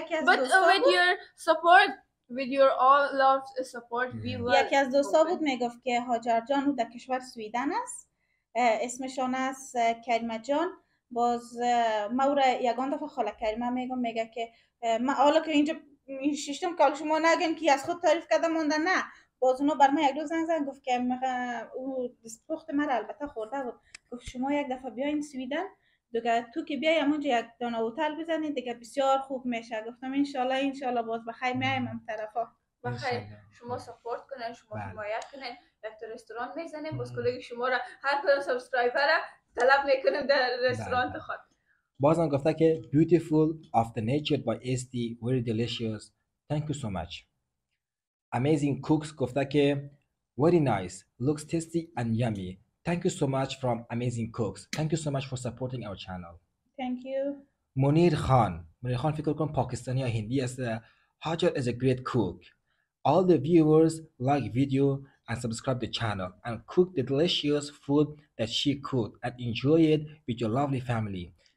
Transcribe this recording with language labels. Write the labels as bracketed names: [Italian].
[English] But with your support, with your all love support, we will. [Persian] یکی از دوستا بود میگفت که هاجر جان در کشور سویدن است. اسمشان است کریمه جان. باز ما او را یکان دفعه خاله کریمه میگم، میگه که من حالا که اینجا میشیشتم که شما نگم که از خود تعریف کرده مونده، نه باز اونو بر ما یک روز زنگ گفت که او دستپخت من را البته خورده بود، گفت شما یک دفعه بیاین سویدن، دیگه تو که بیای همونجا یک دانه هتل بزنید دیگه بسیار خوب میشه. گفتم انشالله باز بخیر میایم هم طرفا، بخیر شما سپورت کنن، شما حمایت کنن، یک رستوران میزنیم باز کلگ شما را هر کدوم سابسکرایبر طلب میکنیم در رستوران خود. بازم گفته که [English] beautiful of the nature by SD, very delicious, thank you so much. Amazing cooks [Persian] گفته که [English] very nice, looks tasty and yummy. Thank you so much from Amazing Cooks. Thank you so much for supporting our channel. Thank you. [Persian] Munir Khan فکر کنم پاکستانی یا هندی است. [English] Hajar is a great cook. All the viewers like video and subscribe the channel and cook the delicious food that she cooked and enjoy it with your lovely family.